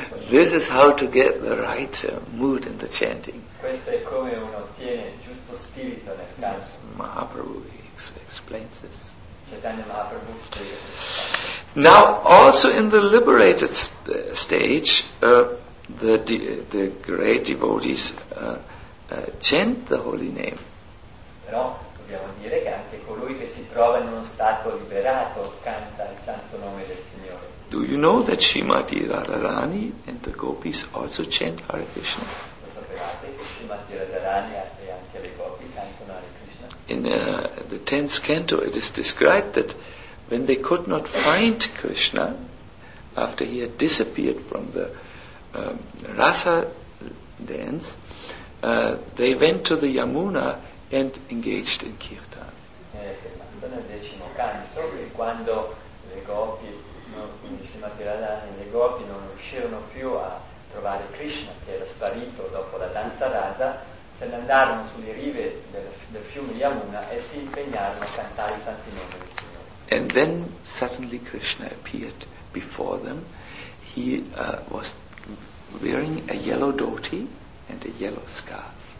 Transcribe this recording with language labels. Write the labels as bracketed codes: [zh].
[en] This is how to get the right mood in the chanting. [it] Questo è come uno ottiene il giusto spirito nel canto. [en] Mahaprabhu explains this. [it] Chaitanya Mahaprabhu spiega questo. [en] Now, also in the liberated stage, the great devotees chant the holy name. [it] Però dobbiamo dire che anche colui che si trova in uno stato liberato canta il santo nome del Signore. [en] Do you know that Srimati Radharani and the gopis also chant Hare Krishna? [it] Lo sapevate che Srimati Radharani e anche le gopi cantano Hare Krishna? [en] In the 10th canto it is described that when they could not find Krishna after he had disappeared from the Rasa dance, they went to the Yamuna and engaged in kirtan. [it] Nel decimo canto, quando le gopi, quindi Srimad Radharani, le gopi non riuscirono più a trovare Krishna, che era sparito dopo la danza rasa, se ne andarono sulle rive del fiume Yamuna e si impegnarono a cantare i santi nomi del Signore. [en] And then suddenly Krishna appeared before them. He was wearing a yellow dhoti and a yellow scarf.